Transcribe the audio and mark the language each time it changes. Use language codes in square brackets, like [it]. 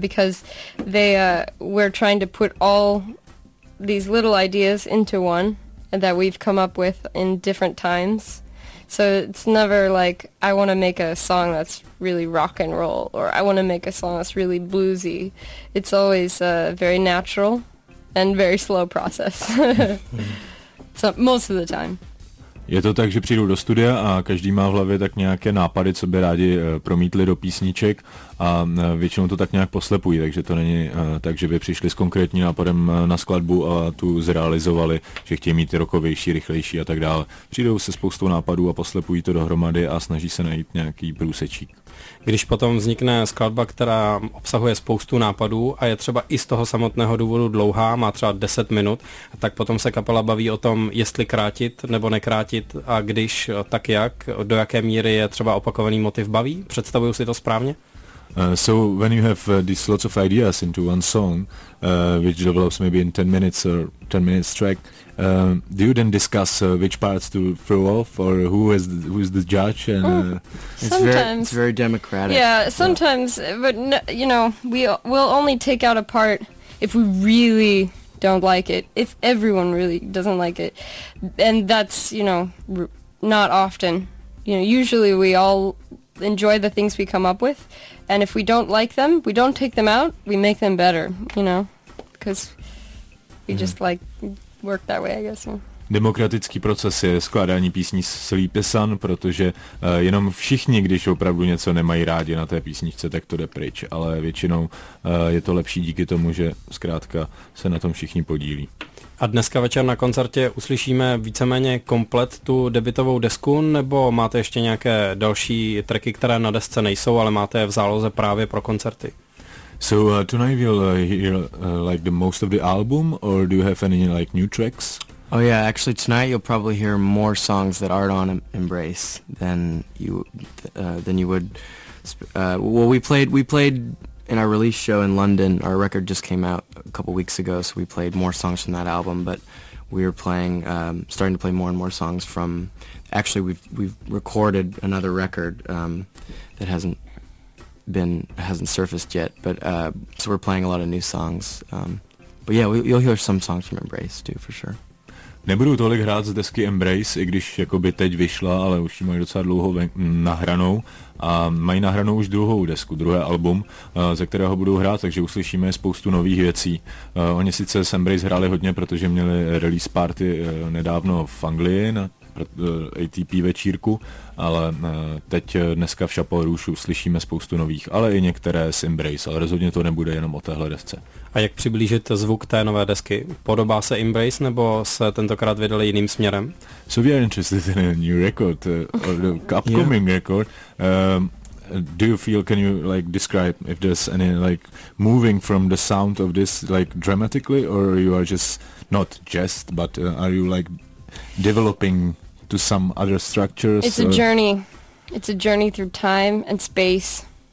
[en] Because we're trying to put all these little ideas into one that we've come up with in different times. So it's never like, I want to make a song that's really rock and roll, or I want to make a song that's really bluesy. It's always a very natural and very slow process. So most of the time. [cs] Je to tak, že přijdu do studia a každý má v hlavě tak nějaké nápady, co by rádi promítli do písniček, a většinou to tak nějak poslepují, takže to není tak, že by přišli s konkrétním nápadem na skladbu a tu zrealizovali, že chtějí mít rokovější, rychlejší a tak dále. Přijdou se spoustou nápadů a poslepují to dohromady a snaží se najít nějaký průsečík. Když potom vznikne skladba, která obsahuje spoustu nápadů a je třeba i z toho samotného důvodu dlouhá, má třeba 10 minut, tak potom se kapela baví o tom, jestli krátit nebo nekrátit, a když, tak jak, do jaké míry je třeba opakovaný motiv baví? Představuju si to správně? [en] So when you have these lots of ideas into one song, which develops maybe in 10 minutes or 10 minutes track, do you then discuss which parts to throw off, or who is the judge? And it's very democratic. Yeah, sometimes, yeah. But no, you know, we'll only take out a part if we really don't like it. If everyone really doesn't like it, and that's, you know, not often. You know, usually we all enjoy the things we come up with. And if we don't like them, we don't take them out, we make them better, you know, because we just like work that way, I guess. [cs] Demokratický proces je skládání písní Sleepy Sun, protože jenom všichni, když opravdu něco nemají rádi na té písničce, tak to jde pryč, ale většinou je to lepší díky tomu, že zkrátka se na tom všichni podílí. A dneska večer na koncertě uslyšíme víceméně komplet tu debutovou desku, nebo máte ještě nějaké další tracky, které na desce nejsou, ale máte je v záloze právě pro koncerty? [en] So tonight we'll hear like the most of the album, or do you have any like new tracks? Oh yeah, actually tonight you'll probably hear more songs that aren't on Embrace than you would. We played in our release show in London. Our record just came out a couple weeks ago, so we played more songs from that album, but we're playing starting to play more and more songs from, actually we've recorded another record that hasn't surfaced yet, but so we're playing a lot of new songs, but yeah, you'll hear some songs from Embrace too, for sure. [cs] Nebudu tolik hrát z desky Embrace, i když jakoby teď vyšla, ale už ji mají docela dlouho nahranou. A mají nahranou už druhou desku, druhé album, ze kterého budou hrát, takže uslyšíme spoustu nových věcí. Oni sice s Embrace hráli hodně, protože měli release party nedávno v Anglii na ATP večírku, ale teď dneska v Chapel Rouge slyšíme spoustu nových, ale i některé z Embrace, ale rozhodně to nebude jenom o téhle desce. A jak přiblížit zvuk té nové desky? Podobá se Embrace nebo se tentokrát vydali jiným směrem? [en] So we are interested in a new record, upcoming record. Do you feel, can you like describe if there's any like moving from the sound of this like dramatically, or you are just not just, but are you like developing to some other structures? It's a journey. It's a journey through time and space.